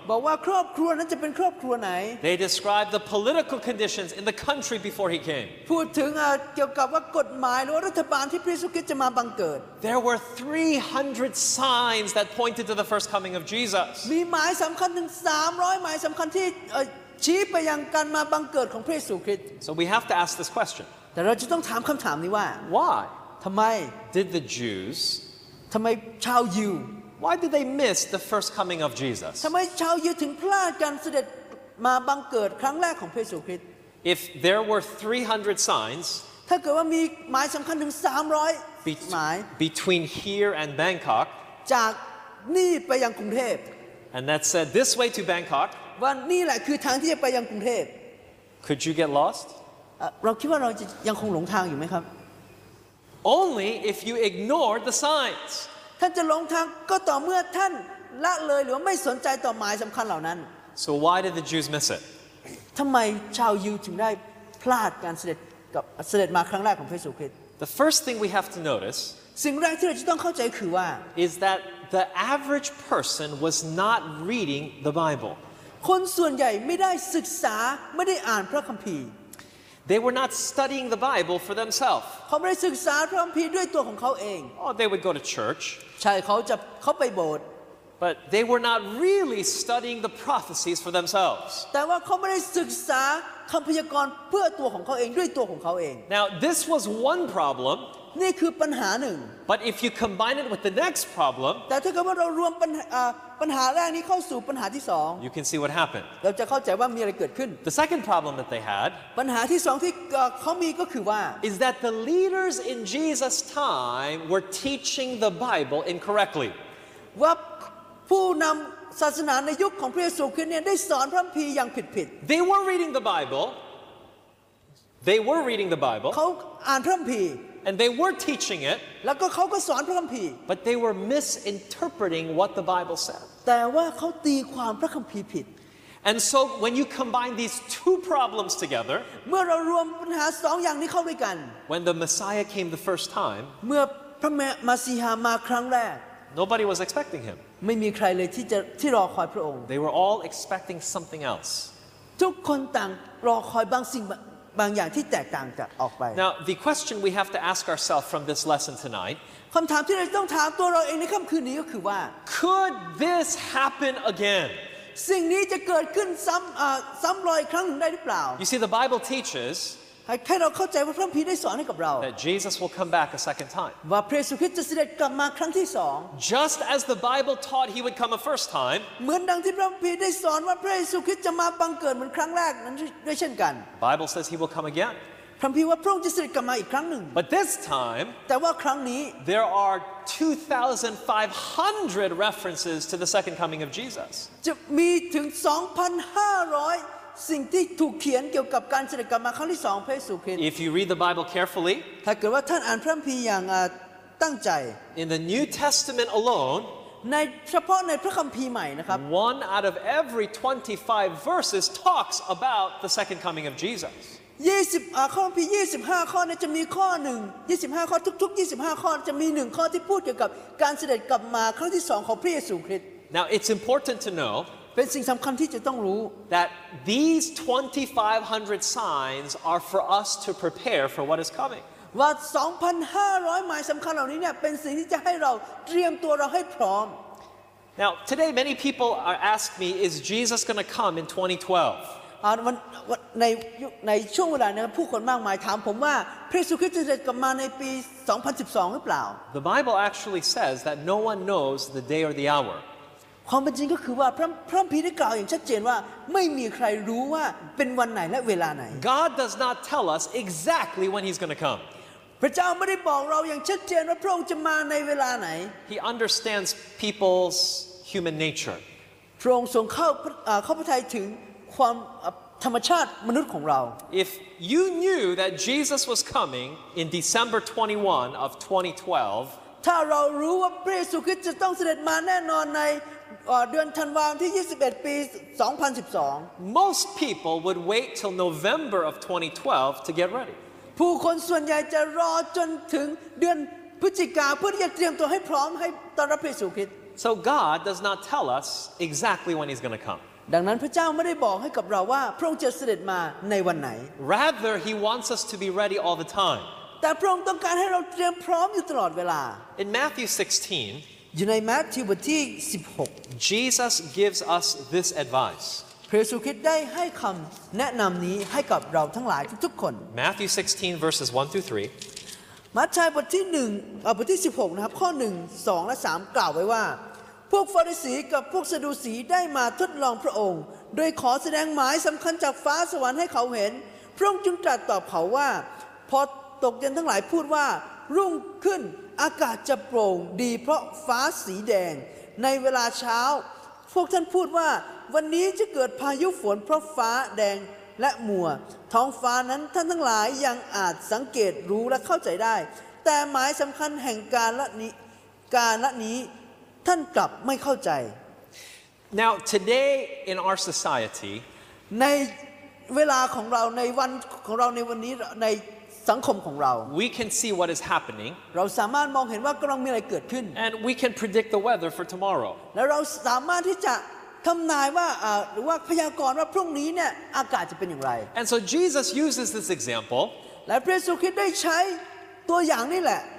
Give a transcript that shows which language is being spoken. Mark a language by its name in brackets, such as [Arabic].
[Thai] บอกว่าครอบครัวนั้นจะเป็นครอบครัวไหน [English] They described the political conditions in the country before he came [Thai] พูดถึงเกี่ยวกับว่ากฎหมายหรือรัฐบาลที่พระเยซูคริสต์จะมาบังเกิด [English] There were 300 signs that pointed to the first coming of Jesus [Thai] มีหมายสําคัญถึง300หมายสําคัญที่ชี้ไปยังการมาบังเกิดของพระเยซูคริสต์ [English] So we have to ask this question [Thai] แต่เราจะต้องถามคําถามนี้ว่า [English] Why [Thai] ทําไม [English] Did the Jews [Thai] ทำไมชาวยิว [English] Why did they miss the first coming of Jesus? [Thai] ทำไมชาวยิวถึงพลาดการเสด็จมาบังเกิดครั้งแรกของพระเยซูคริสต์ [English] If there were 300 signs [Thai] ถ้าเกิดว่ามีหมายสำคัญถึง300หมาย [English] Between here and Bangkok [Thai] จากนี่ไปยังกรุงเทพ [English] And that said this way to Bangkok [Thai] ว่านี่แหละคือทางที่จะไปยังกรุงเทพ [English] Could you get lost? [Thai] เราคิดว่าเราจะยังคงหลงทางอยู่ไหมครับ [English] Only if you ignore the signs. [Thai] ท่านจะหลงทางก็ต่อเมื่อท่านละเลยหรือไม่สนใจต่อหมายสำคัญเหล่านั้น [English] So why did the Jews miss it? [Thai] ทำไมชาวยิวถึงได้พลาดการเสด็จมาครั้งแรกของพระเยซูคริสต์ [English] The first thing we have to notice. [Thai] สิ่งแรกที่เราจะต้องเข้าใจคือว่า [English] is that the average person was not reading the Bible. [Thai] คนส่วนใหญ่ไม่ได้ศึกษาไม่ได้อ่านพระคัมภีร์ [English] They were not studying the Bible for themselves. [Thai] เขาไม่ได้ศึกษาพระคัมภีร์ด้วยตัวของเขาเอง [English] Oh, they would go to church. [Thai] ใช่เขาไปโบสถ์ [English] But they were not really studying the prophecies for themselves. [Thai] แต่ว่าเขาไม่ได้ศึกษาคำพยากรณ์เพื่อตัวของเขาเองด้วยตัวของเขาเอง [English] Now, this was one problem. [Thai] นี่คือปัญหาหนึ่ง [English] But if you combine it with the next problem, [Thai] แต่ถ้าเกิดว่าเรารวมปัญหาแรกนี้เข้าสู่ปัญหาที่สอง [English] You can see what happened. [Thai] เราจะเข้าใจว่ามีอะไรเกิดขึ้น [English] The second problem that they had, [Thai] ปัญหาที่สองที่เขามีก็คือว่า [English] is that the leaders in Jesus' time were teaching the Bible incorrectly. [Thai] ว่าผู้นำศาสนาในยุคของพระเยซูคริสต์เนี่ยได้สอนพระคัมภีร์อย่างผิด [English] They were reading the Bible. They were reading the Bible. [Thai] เขาอ่านพระคัมภีร์ [English] And they were teaching it. [Thai] แล้วก็เขาก็สอนพระคัมภีร์ [English] But they were misinterpreting what the Bible said. [Thai] แต่ว่าเขาตีความพระคัมภีร์ผิด [English] And so when you combine these two problems together, [Thai] เมื่อเรารวมปัญหาสองอย่างนี้เข้าด้วยกัน [English] When the Messiah came the first time, [Thai] เมื่อพระมสีฮามาครั้งแรก [English] Nobody was expecting him. [Thai] ไม่มีใครเลยที่รอคอยพระองค์ [English] They were all expecting something else. [Thai] ทุกคนต่างรอคอยบางอย่างที่แตกต่างจากออกไป [English] Now the question we have to ask ourselves from this lesson tonight [Thai] คำถามที่เราต้องถามตัวเราเองในค่ำคืนนี้ก็คือว่า [English] Could this happen again [Thai] สิ่งนี้จะเกิดขึ้นซ้ำรอยครั้งหนึ่งได้หรือเปล่า [English] You see the Bible teaches [Thai] ให้เราเข้าใจว่าพระคัมภีร์ได้สอนให้กับเรา [English] That Jesus will come back a second time [Thai] ว่าพระเยซูคริสต์จะเสด็จกลับมาครั้งที่สอง [English] Just as the Bible taught he would come a first time [Thai] เหมือนดังที่พระคัมภีร์ได้สอนว่าพระเยซูคริสต์จะมาบังเกิดเหมือนครั้งแรกนั้นด้วยเช่นกัน [English] Bible says he will come again [Thai] พระคัมภีร์ว่าพระองค์จะเสด็จกลับมาอีกครั้งหนึ่ง [English] But this time [Thai] แต่ว่าครั้งนี้ [English] There are 2,500 references to the second coming of Jesus [Thai] จะมีถึง 2,500สิ่งที่ถูกเขียนเกี่ยวกับการเสด็จกลับมาครั้งที่สองพระเยซูคริสต์ [English] If you read the Bible carefully [Thai] ถ้าเกิดว่าท่านอ่านพระคัมภีร์อย่างตั้งใจ [English] In the New Testament alone [Thai] ในเฉพาะในพระคัมภีร์ใหม่นะครับ [English] One out of every 25 verses talks about the second coming of Jesus [Thai] 20ข้อพระคัมภีร์25ข้อเนี่ยจะมีข้อหนึ่ง25ข้อทุกๆ25ข้อจะมีหนึ่งข้อที่พูดเกี่ยวกับการเสด็จกลับมาครั้งที่สองของพระเยซูคริสต์ [English] Now it's important to know [Thai] เป็นสิ่งสำคัญที่จะต้องรู้ [English] that these 2,500 signs are for us to prepare for what is coming [Thai] ว่า 2,500 หมายสำคัญเหล่านี้เนี่ยเป็นสิ่งที่จะให้เราเตรียมตัวเราให้พร้อม [English] Now today many people are asking me is Jesus going to come in 2012 [Thai] ในช่วงเวลานี้ผู้คนมากมายถามผมว่าพระเยซูคริสต์จะกลับมาในปี2012หรือเปล่า [English] The Bible actually says that no one knows the day or the hour [Thai] ความเป็นจริงก็คือว่าพระคัมภีร์ได้กล่าวอย่างชัดเจนว่าไม่มีใครรู้ว่าเป็นวันไหนและเวลาไหน [English] God does not tell us exactly when He's going to come. [Thai] พระเจ้าไม่ได้บอกเราอย่างชัดเจนว่าพระองค์จะมาในเวลาไหน [English] He understands people's human nature. [Thai] พระองค์ทรงเข้าพระทัยถึงความธรรมชาติมนุษย์ของเรา [English] If you knew that Jesus was coming in December 21 of 2012, [Thai] ถ้าเรารู้ว่าพระเยซูคริสต์จะต้องเสด็จมาแน่นอนในเดือนธันวาคมที่21ปี2012 [English] Most people would wait till November of 2012 to get ready [Thai] ผู้คนส่วนใหญ่จะรอจนถึงเดือนพฤศจิกาเพื่อที่จะเตรียมตัวให้พร้อมให้ต้อนรับพระเยซูคริสต์ [English] So God does not tell us exactly when he's going to come [Thai] ดังนั้นพระเจ้าไม่ได้บอกให้กับเราว่าพระองค์จะเสด็จมาในวันไหน [English] Rather he wants us to be ready all the time [Thai] แต่พระองค์ต้องการให้เราเตรียมพร้อมอยู่ตลอดเวลา [English] In Matthew 16 [Thai] อยู่ในมัทธิวบทที่16 [English] Jesus gives us this advice [Thai] พระเยซูคริสต์ได้ให้คำแนะนำนี้ให้กับเราทั้งหลายทุกๆคน [English] Matthew 16 verses 1 through 3 [Thai] มัทธิวบทที่1บทที่16นะครับข้อ1 2และ3กล่าวไว้ว่าพวกฟาริสีกับพวกซะดูสีได้มาทดลองพระองค์โดยขอแสดงหมายสำคัญจากฟ้าสวรรค์ให้เขาเห็นพระองค์จึงตรัสตอบเขาว่าพอตกเย็นทั้งหลายพูดว่ารุ่งขึ้นอากาศจะโปร่งดีเพราะฟ้าสีแดงในเวลาเช้า พวกท่านพูดว่าวันนี้จะเกิดพายุฝนเพราะฟ้าแดงและมัวท้องฟ้านั้นท่านทั้งหลายยังอาจสังเกตรู้และเข้าใจได้แต่หมายสำคัญแห่งการละนี้ท่านกลับไม่เข้าใจ [English] Now today in our society [Thai] ในเวลาของเราในวันของเราในวันนี้ในสังคมของเรา [English] We can see what is happening [Thai] เราสามารถมองเห็นว่ากำลังมีอะไรเกิดขึ้น [English] And we can predict the weather for tomorrow [Thai] และเราสามารถที่จะทำนายว่าหรือว่าพยากรณ์ว่าพรุ่งนี้เนี่ยอากาศจะเป็นอย่างไร [English] And so Jesus uses this example [Thai] และพระเยซูคริสต์ได้ใช้ตัวอย่างนี่แหละ